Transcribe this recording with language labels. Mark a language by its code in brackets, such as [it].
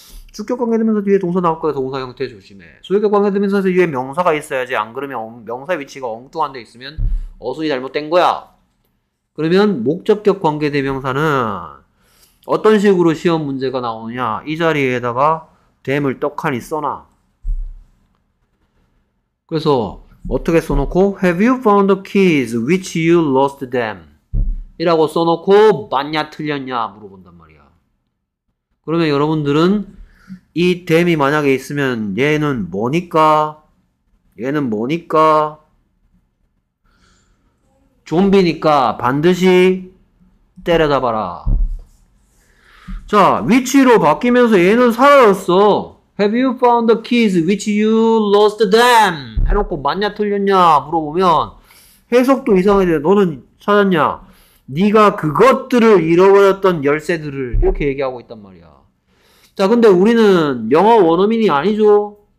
[ko] 주격 관계대명사 뒤에 동사 나올 거야. 동사 형태 조심해. 소유격 관계대명사에서 뒤에 명사가 있어야지. 안 그러면 명사 위치가 엉뚱한 데 있으면 어순이 잘못된 거야. 그러면 목적격 관계대명사는 어떤 식으로 시험 문제가 나오냐? 이 자리에다가 댐을 떡하니 써놔. 그래서 어떻게 써놓고? [en] Have you found the keys which you lost them? [ko] 이라고 써놓고 맞냐 틀렸냐 물어본단 말이야. 그러면 여러분들은 이 댐이 만약에 있으면 얘는 뭐니까? 얘는 뭐니까? 좀비니까 반드시 때려잡아라. 자, which로 바뀌면서 얘는 사라졌어. [en] Have you found the keys which you lost them? [ko] 해놓고 맞냐 틀렸냐 물어보면 해석도 이상해져. 너는 찾았냐? 네가 그것들을 잃어버렸던 열쇠들을 이렇게 얘기하고 있단 말이야. 자, 근데 우리는 영어 원어민이 아니죠.